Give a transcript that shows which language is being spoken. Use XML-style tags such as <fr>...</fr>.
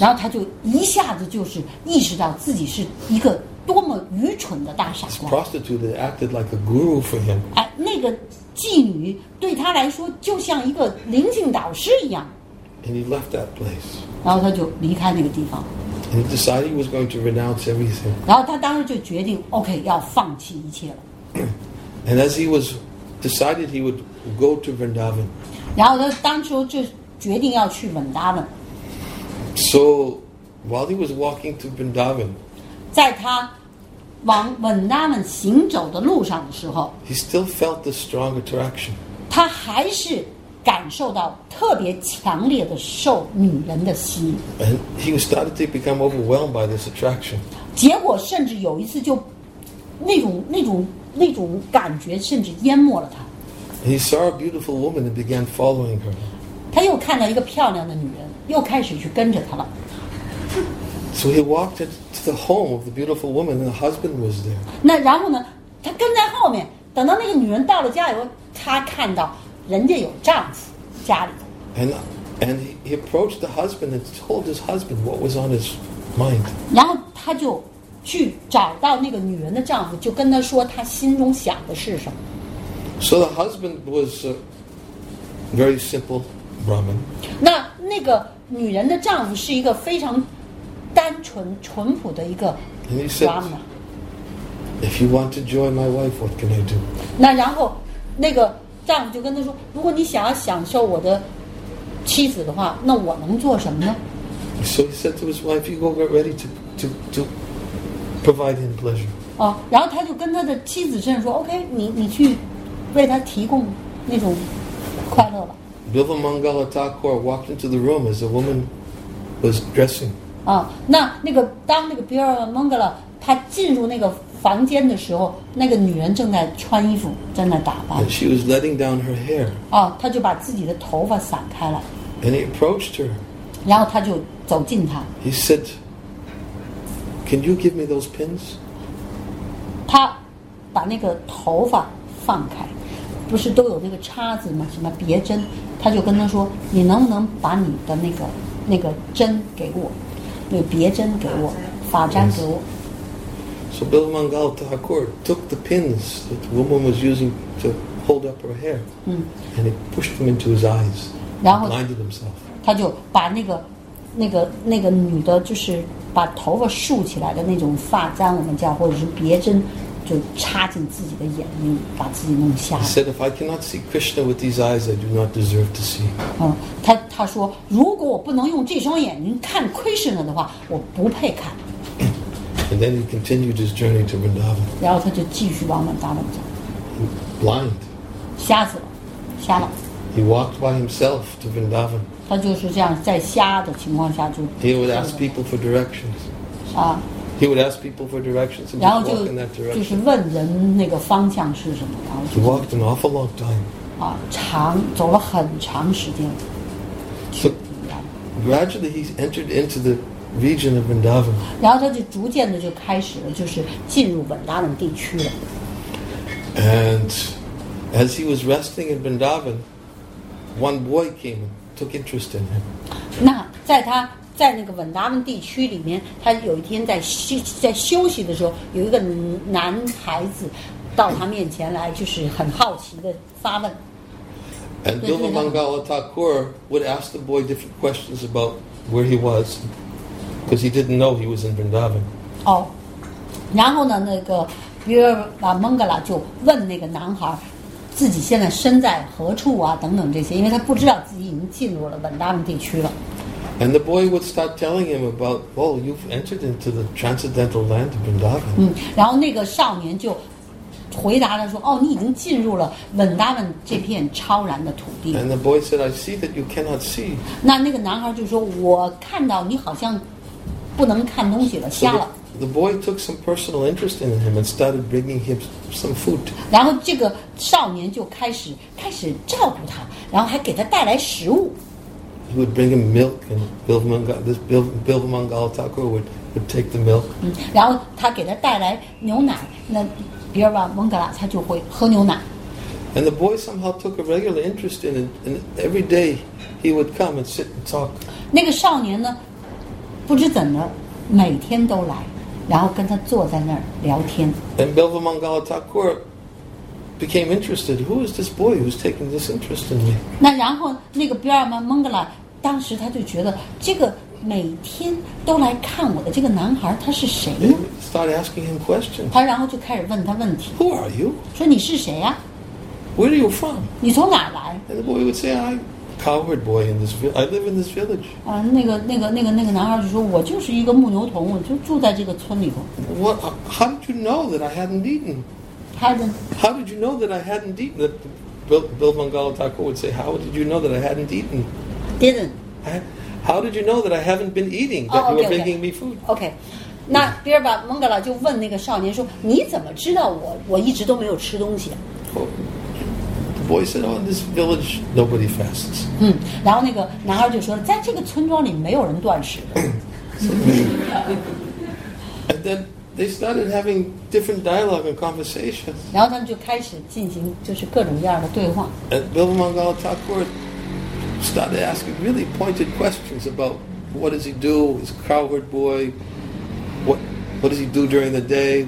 <zh>然后他就一下子就是意识到自己是一个多么愚蠢的大傻瓜。</zh> <en>Prostitute acted like a guru for him.</en> <zh>哎，那个妓女对他来说就像一个灵性导师一样。</zh> <en>And he left that place.</en> <zh>然后他就离开那个地方。</zh> <en>And he decided he was going to renounce everything.</en> <zh>然后他当时就决定 ，OK， 要放弃一切了。</zh> <en>And as he was decided, he would go to Vrindavan.</en> <zh>然后他当时就决定要去 Vrindavan.</zh> <en>So while he was walking to Vrindavan,</en> <zh>在他往 Vrindavan 行走的路上的时候，</zh> <en>he still felt the strong attraction.</en> <zh>他还是感受到特别强烈的受女人的吸引。</zh> <en>And he started to become overwhelmed by this attraction.</en> <zh>结果甚至有一次就那种感觉甚至淹没了他。</zh> <en>He saw a beautiful woman and began following her.</en> <zh>他又看到一个漂亮的女人，又开始去跟着她了。</zh> <en>So he walked into the home of the beautiful woman, and the husband was there.</en> <zh>那然后呢？他跟在后面，等到那个女人到了家以后，他看到人家有丈夫家里头。</zh> <en>And he approached the husband and told his husband what was on his mind.</en> <zh>然后他就去找到那个女人的丈夫，就跟他说他心中想的是什么。</zh> <en>So the husband was a very simple Brahmin.</en> <zh>那个女人的丈夫是一个非常单纯淳朴的一个 Brahmin。</zh> <en>If you want to join my wife, what can I do?</en> <zh>那然后，那个丈夫就跟他说：“如果你想要享受我的妻子的话，那我能做什么呢？”</zh> <en>So he said to his wife, "You go get ready to provide him pleasure."</en> <zh>哦，然后他就跟他的妻子甚至说 ：“OK， 你去为他提供那种快乐吧。”</zh> <en>Bilva Mangala Thakur walked into the room as the woman was dressing.</en> <zh>啊、哦，那个当那个 Bilva Mangala 他进入那个房间的时候，那个女人正在穿衣服，正在打扮。</zh> <en>She was letting down her hair.</en> <zh>哦，她就把自己的头发散开了。</zh> <en>And he approached her.</en> <zh>然后他就走近她。</zh> <en>He said, "Can you give me those pins?"</en> <zh>他把那个头发放开，不是都有那个叉子吗？什么别针？他就跟她说：“你能不能把你的那个针给我，那个别针给我，发簪给我？”</zh> <en>yes. So Bilva Mangala Thakur took the pins that the woman was using to hold up her hair、嗯、 and he pushed them into his eyes and blinded himself.</en> <zh>他就把那个女的就是把头发竖起来的那种发簪我们叫或者是别针就插进自己的眼睛把自己弄瞎了。</zh> <en>He said, if I cannot see Krishna with these eyes, I do not deserve to see.、</en> <zh>嗯、他说如果我不能用这双眼睛看 Krishna 的话我不配看。</zh> <en>And then he continued his journey to Vrindavan.</en> <zh>然后他就继续往Vrindavan走。</zh> <en>Blind.</en> <zh>瞎子了，瞎了。</zh> <en>He walked by himself to Vrindavan.</en> <zh>他就是这样，在瞎的情况下就。</zh> <en>He would ask people for directions. 啊。 He would ask people for directions.</en> <zh>然后就是问人那个方向是什么。</zh> <en>He walked an awful long time.</en> <zh>啊，长走了很长时间。</zh> <en>So gradually he entered into the. Region of Vrindavan.</en> <zh>然后他就逐渐的就开始了，就是进入文达冷地区了。</zh> <en>And as he was resting in Vrindavan, one boy came and took interest in him.</en> <zh>那在他在那个文达冷地区里面，他有一天在休息的时候，有一个男孩子到他面前来，就是很好奇的发问。</zh> <en>And Bilva Mangala Thakur would ask the boy different questions about where he was. Because he didn't know he was in Vrindavan.</en> <zh>Oh, 然后呢，那个比尔瓦蒙格拉就问那个男孩，自己现在身在何处啊？等等这些，因为他不知道自己已经进入了文达文地区了。</zh> <en>And the boy would start telling him about, "Oh, you've entered into the transcendental land of Vrindavan."</en> <zh>嗯，然后那个少年就回答他说，哦，你已经进入了文达文这片超然的土地。</zh> <en>And the boy said, "I see that you cannot see."</en> <zh>那个男孩就说，我看到你好像。不能看东西了，瞎了。</zh> <en>So、the boy took some personal interest in him and started bringing him some food.</en> <zh>然后这个少年就开始照顾他，然后还给他带来食物。</zh> <en>He would bring him milk, and Bilva Mangala Thakur would take the milk.、</en> <zh>嗯、然后他给他带来牛奶，那比尔瓦蒙格拉他就会喝牛奶。</zh> <en>And the boy somehow took a regular interest in it, and every day he would come and sit and talk.</en> <zh>那个少年呢？不知怎的，每天都来，然后跟他坐在那儿聊天。</zh> <en>And Bilva Mangala Thakur became interested. Who is this boy who's taking this interest in me?</en> <zh>那然后那个比尔曼蒙格拉，当时他就觉得这个每天都来看我的这个男孩，他是谁呢</zh> <en>？Start asking him questions.</en> <zh>他然后就开始问他问题。</zh> <en>Who are you?</en> <zh>说你是谁呀、</zh> <en>啊、？Where are you from?</en> <zh>你从哪来</zh> <en>？And the boy would say, "I." Coward boy in this village. I live in this village.</en> <zh>啊，那个男孩就说，我就是一个牧牛童，我就住在这个村里头。</zh> <en>What? How did you know that I hadn't eaten? Hadn't. How did you know that I hadn't eaten? That Bill Mangala Thakur would say, how did you know that I hadn't eaten? Didn't. How did you know that I haven't been eating, that you were bringing me food? Okay.</en> <zh>那比尔巴蒙格拉就问那个少年说，你怎么知道我一直都没有吃东西、啊</zh> <en>oh, the boy said, oh, in this village, nobody fasts.</en> <zh>嗯，然后那个男孩就说，在这个村庄里没有人断食。</zh> <en>And then they started having different dialogue and conversations.</en> <zh>然后他们就开始进行就是各种各样的对话。</zh> <en>And Bill Mangala Thakur started asking really pointed questions about what does he do, he's a cowherd boy,What does he do during the day?</en>